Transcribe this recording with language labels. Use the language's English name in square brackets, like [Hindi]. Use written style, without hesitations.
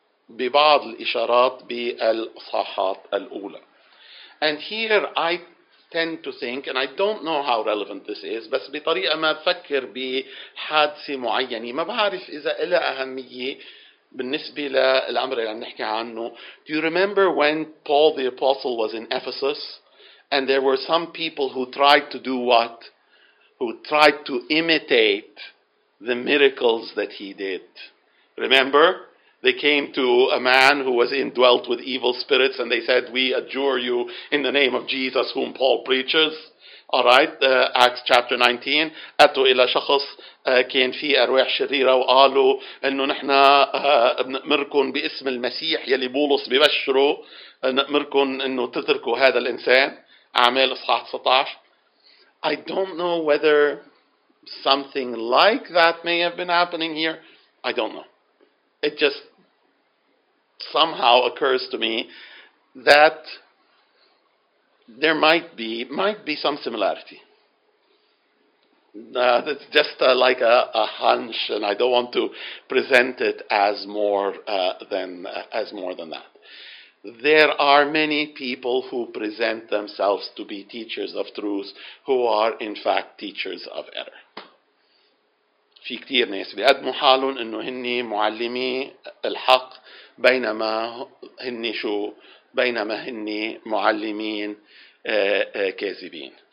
[Arabic] ببعض الإشارات بالإصحاحات الأولى. [English] And here I tend to think, and I don't know how relevant this is, [Arabic] بس بطريقة ما بفكر بحادثة معينة ما بعرف إذا إلها أهمية بالنسبة للأمر اللي عم نحكي عنه. [English] Do you remember when Paul the Apostle was in Ephesus and there were some people who tried to do what? Who tried to imitate the miracles that he did. Remember? They came to a man who was indwelt with evil spirits and they said, we adjure you in the name of Jesus whom Paul preaches. All right, Acts chapter 19. [Arabic] أتوا إلى شخص كان فيه أرواح شريرة وقالوا أنه نحن نأمركم باسم المسيح يلي بولس ببشره نأمركم أنه تتركوا هذا الإنسان. أعمال إصحاح 19. [English] I don't know whether something like that may have been happening here. I don't know. It just somehow occurs to me that there might be some similarity. That's just like a hunch, and I don't want to present it as more than that. There are many people who present themselves to be teachers of truth who are in fact teachers of error. [Arabic] في كتير ناس بيقدموا حالهم انه هني معلمي الحق بينما هني شو بينما هني معلمين كاذبين.